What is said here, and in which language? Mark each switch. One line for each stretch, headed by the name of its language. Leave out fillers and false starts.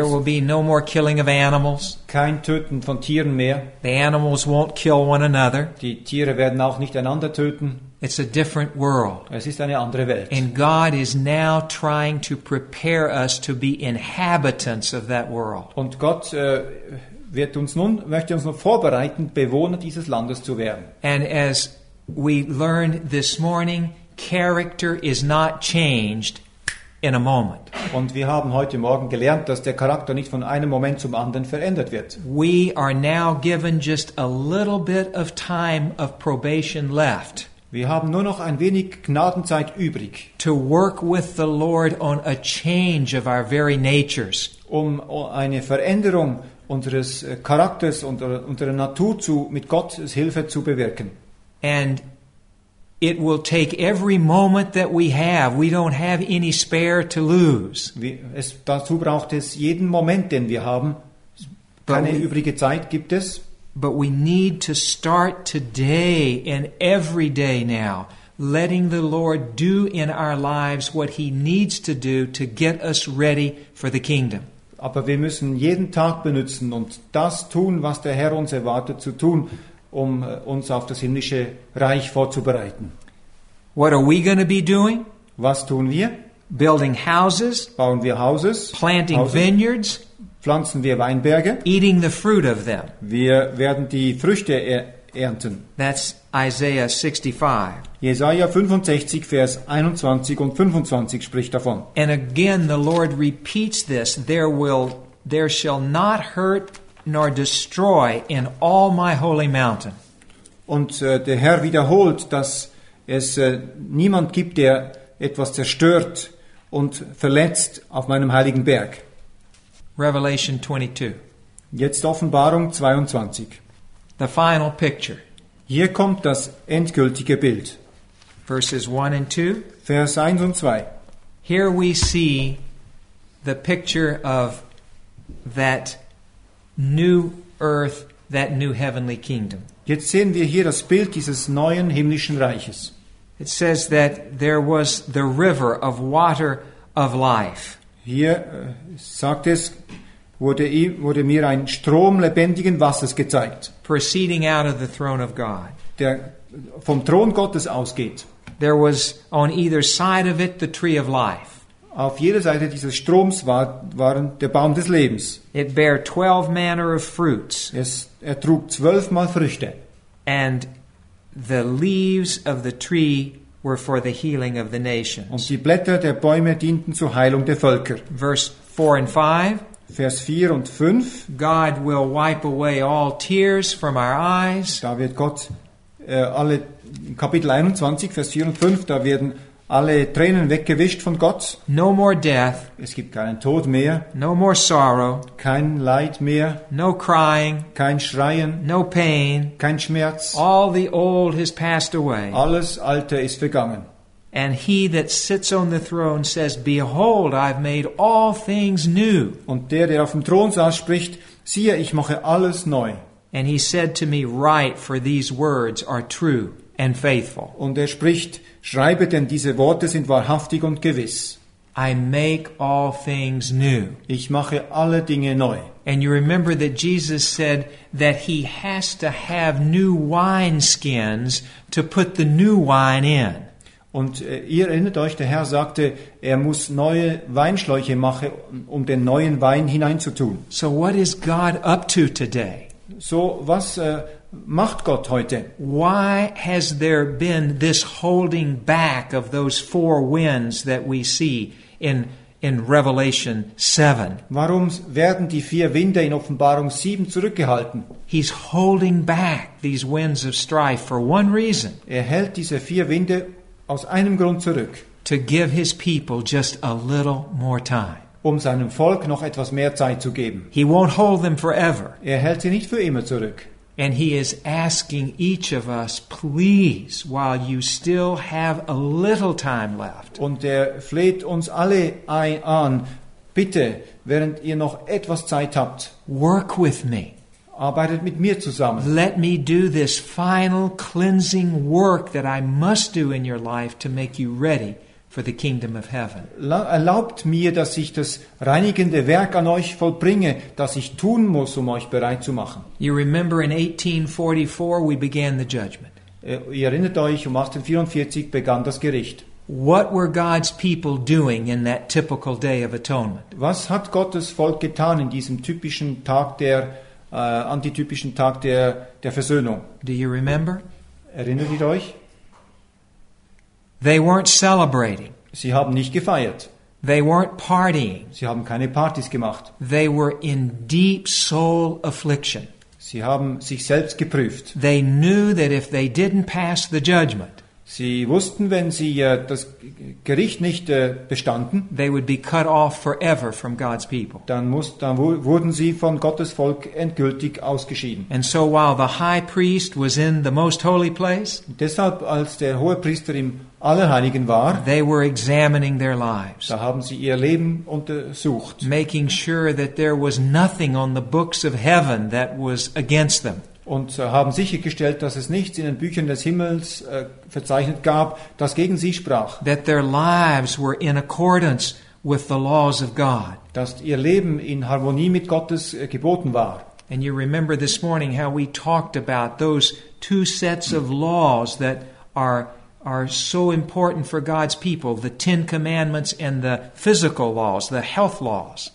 English: There will be no more killing of animals.
German: Kein Töten von Tieren mehr.
English: The animals won't kill one another.
German: Die Tiere werden auch nicht einander töten.
English: It's a different world.
German: Es ist eine andere Welt.
English: And God is now trying to prepare us to be inhabitants of that world.
German: Und Gott möchte uns nun vorbereiten, Bewohner dieses Landes zu werden.
English: And as we learned this morning, character is not changed in a moment.
German: Und wir haben heute Morgen gelernt, dass der Charakter nicht von einem Moment zum anderen verändert wird.
English: We are now given just a little bit of time of probation left.
German: Wir haben nur noch ein wenig Gnadenzeit übrig.
English: To work with the Lord on a change of our very natures.
German: Um eine Veränderung unseres Charakters und unserer Natur zu mit Gottes Hilfe zu bewirken.
English: And it will take every moment that we have. We don't have any spare to lose.
German: Dazu braucht es jeden Moment, den wir haben. Keine übrige Zeit gibt es.
English: But we need to start today and every day now, letting the Lord do in our lives what He needs to do to get us ready for the kingdom.
German: Aber wir müssen jeden Tag benutzen und das tun, was der Herr uns erwartet zu tun, um uns auf das himmlische Reich vorzubereiten.
English: What are we going to be doing?
German: Was tun wir?
English: Building houses.
German: Bauen wir Houses.
English: Planting vineyards.
German: Pflanzen wir Weinberge.
English: Eating the fruit of them.
German: Wir werden die Früchte ernten.
English: That's Isaiah 65.
German: Jesaja 65, Vers 21 und 25 spricht davon.
English: And again the Lord repeats this, there shall not hurt nor destroy in all my holy mountain.
German: Und der Herr wiederholt, dass es niemand gibt, der etwas zerstört und verletzt auf meinem heiligen Berg.
English: Revelation 22.
German: Jetzt Offenbarung 22.
English: The final picture.
German: Hier kommt das endgültige Bild.
English: Verses 1 and 2.
German: Vers 1 und 2.
English: Here we see the picture of that new earth, that new heavenly kingdom.
German: Jetzt sehen wir hier das Bild dieses neuen himmlischen Reiches.
English: It says that there was the river of water of life.
German: Hier sagt es, wurde mir ein Strom lebendigen Wassers gezeigt.
English: Proceeding out of the throne of God.
German: Der vom Thron Gottes ausgeht.
English: There was on either side of it the tree of life.
German: Auf jeder Seite dieses Stroms waren der Baum des Lebens.
English: It bare 12 manner of fruits.
German: Er trug 12-mal Früchte.
English: And the leaves of the tree were for the healing of the nations.
German: Und die Blätter der Bäume dienten zur Heilung der Völker.
English: Verse 4 and 5.
German: Vers 4 und 5.
English: God will wipe away all tears from our eyes.
German: Da wird Gott alle, Kapitel 21, Vers 4 und 5, da werden alle Tränen weggewischt von Gott.
English: No more death.
German: Es gibt keinen Tod mehr.
English: No more sorrow.
German: Kein Leid mehr.
English: No crying.
German: Kein Schreien.
English: No pain.
German: Kein Schmerz.
English: All the old has passed away.
German: Alles Alte ist vergangen.
English: And he that sits on the throne says, Behold, I've made all things new.
German: Und der auf dem Thron saß, spricht, siehe, ich mache alles neu.
English: And he said to me, Write, for these words are true and faithful.
German: Und spricht, schreibe, denn diese Worte sind wahrhaftig und gewiss.
English: I make all things new.
German: Ich mache alle Dinge neu.
English: And you remember that Jesus said that he has to have new wine skins to put the new wine in.
German: Und ihr erinnert euch, der Herr sagte, er muss neue Weinschläuche machen, um den neuen Wein hineinzutun.
English: So what is God up to today?
German: So, was macht Gott heute?
English: Why has there been this holding back of those four winds that we see in Revelation 7?
German: Warum werden die vier Winde in Offenbarung 7 zurückgehalten?
English: He's holding back these winds of strife for one reason.
German: Er hält diese vier Winde aus einem Grund zurück.
English: To give his people just a little more time.
German: Um seinem Volk noch etwas mehr Zeit zu geben.
English: He won't hold them forever.
German: Er hält sie nicht für immer zurück.
English: And he is asking each of us, please, while you still have a little time left.
German: Und er fleht uns alle an, bitte, während ihr noch etwas Zeit habt.
English: Work with me.
German: Arbeitet mit mir zusammen.
English: Let me do this final cleansing work that I must do in your life to make you ready for the kingdom of heaven.
German: Erlaubt mir, dass ich das reinigende Werk an euch vollbringe, das ich tun muss, um euch bereit zu machen.
English: You remember in 1844 we began the judgment.
German: Ihr erinnert euch, um 1844 begann das Gericht.
English: What were God's people doing in that typical day of atonement?
German: Was hat Gottes Volk getan in diesem typischen Tag der antitypischen Tag der Versöhnung?
English: Do you remember?
German: Erinnert ihr euch?
English: They weren't celebrating.
German: Sie haben nicht gefeiert.
English: They weren't partying.
German: Sie haben keine Partys gemacht.
English: They were in deep soul affliction.
German: Sie haben sich selbst geprüft.
English: They knew that if they didn't pass the judgment,
German: sie wussten, wenn sie das Gericht nicht bestanden,
English: they would be cut off forever from God's people.
German: Dann wurden sie von Gottes Volk endgültig ausgeschieden.
English: And so while the high priest was in the most holy place,
German: deshalb als der hohe Priester im Allerheiligen war,
English: they were examining their lives.
German: Da haben sie ihr Leben untersucht.
English: Making sure that there was nothing on the books of heaven that was against them.
German: Und haben sichergestellt, dass es nichts in den Büchern des Himmels verzeichnet gab, das gegen sie sprach.
English: That their lives were in accordance with the laws of God.
German: Dass ihr Leben in Harmonie mit Gottes Geboten war.
English: And you remember this morning how we talked about those two sets of laws that are so important for God's people, the Ten Commandments and the physical laws, the health laws.